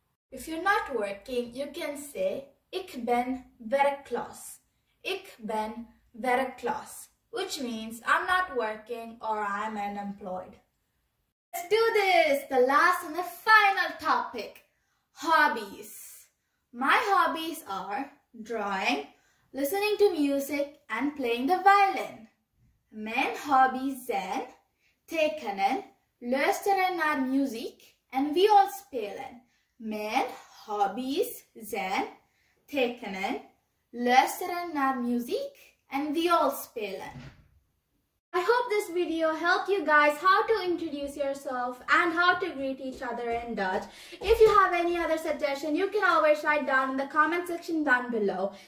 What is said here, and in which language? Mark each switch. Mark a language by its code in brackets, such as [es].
[en] If you're not working, you can say [nl] ik ben werkloos. Ik ben werkloos, [en] which means I'm not working or I'm unemployed. Let's do this! The last and the final topic, hobbies. My hobbies are drawing, listening to music, and playing the violin. [nl] Men hobbies zijn tekenen, luisteren naar muziek en vioolspelen. Men hobbies zijn tekenen, luisteren naar muziek en vioolspelen. [en] I hope this video helped you guys how to introduce yourself and how to greet each other in Dutch. If you have any other suggestion, you can always write down in the comment section down below.